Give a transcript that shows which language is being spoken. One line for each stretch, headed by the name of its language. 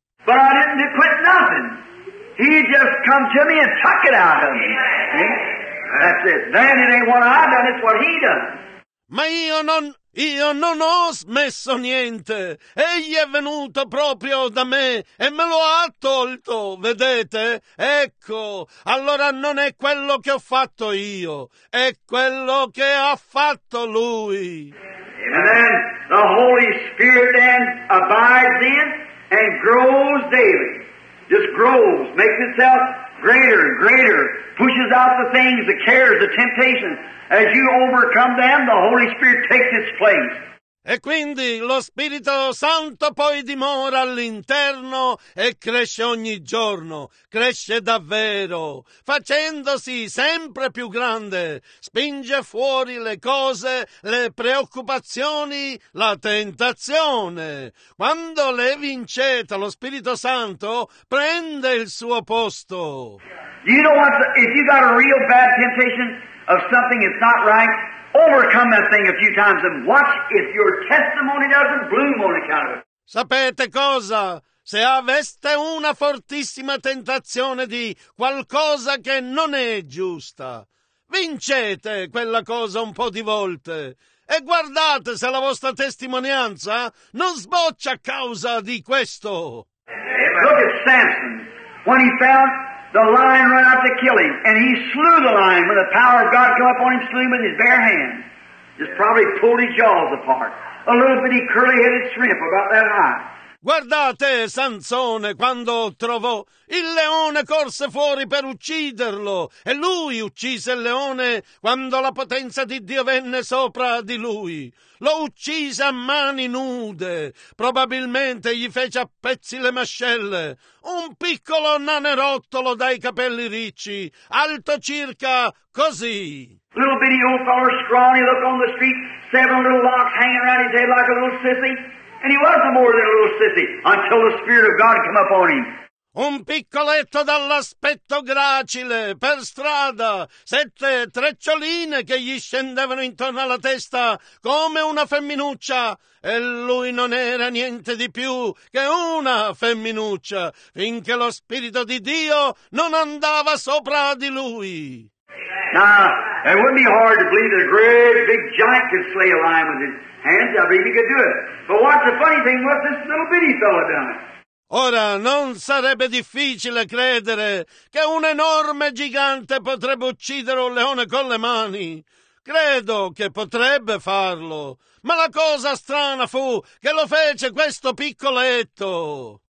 English: But I didn't quit nothing. He just come to me and took it out of me. That's it. Then it ain't what I done, it's what he done.
Italian: Ma io non ho smesso niente. Egli è venuto proprio da me e me lo ha tolto, vedete? Ecco, allora non è quello che ho fatto io, è quello che ha fatto lui.
English: And then the Holy Spirit then abides in and grows daily. Just grows, makes itself greater and greater, pushes out the things, the cares, the temptations. As you overcome them, the Holy Spirit takes its place.
Italian: E quindi lo Spirito Santo poi dimora all'interno e cresce ogni giorno, cresce davvero, facendosi sempre più grande, spinge fuori le cose, le preoccupazioni, la tentazione. Quando le vincete, lo Spirito Santo prende il suo posto.
English: You know what? If you got a real bad temptation of something that's not right, overcome that thing a few times and watch if your testimony doesn't bloom on account of it.
Italian: Sapete cosa? Se aveste una fortissima tentazione di qualcosa che non è giusta, vincete quella cosa un po' di volte e guardate se la vostra testimonianza non sboccia a causa di questo.
English: Look at Samson when he found the lion ran out to kill him, and he slew the lion when the power of God came up on him, slew him with his bare hands. Just probably pulled his jaws apart. A little bitty curly-headed shrimp about that high.
Italian: Guardate, Sansone, quando trovò il leone, corse fuori per ucciderlo, e lui uccise il leone quando la potenza di Dio venne sopra di lui. Lo uccise a mani nude, probabilmente gli fece a pezzi le mascelle. Un piccolo nanerottolo dai capelli ricci, alto circa così.
English: Little bitty old fellow, scrawny, look on the street, seven little locks hanging around his head like a little sissy. And he wasn't more than a little sissy until the Spirit of God came upon him.
Italian: Un piccoletto dall'aspetto gracile, per strada, sette treccioline che gli scendevano intorno alla testa come una femminuccia, e lui non era niente di più che una femminuccia, finché lo Spirito di Dio non andava sopra di lui.
English: Now, it wouldn't be hard to believe that a great big giant could slay a lion with his hands. I believe he could do it. But what's the funny thing, what this little bitty fellow done?
Italian: Ora, non sarebbe difficile credere che un enorme gigante potrebbe uccidere un leone con le mani. Credo che potrebbe farlo. Ma la cosa strana fu che lo fece questo piccoletto.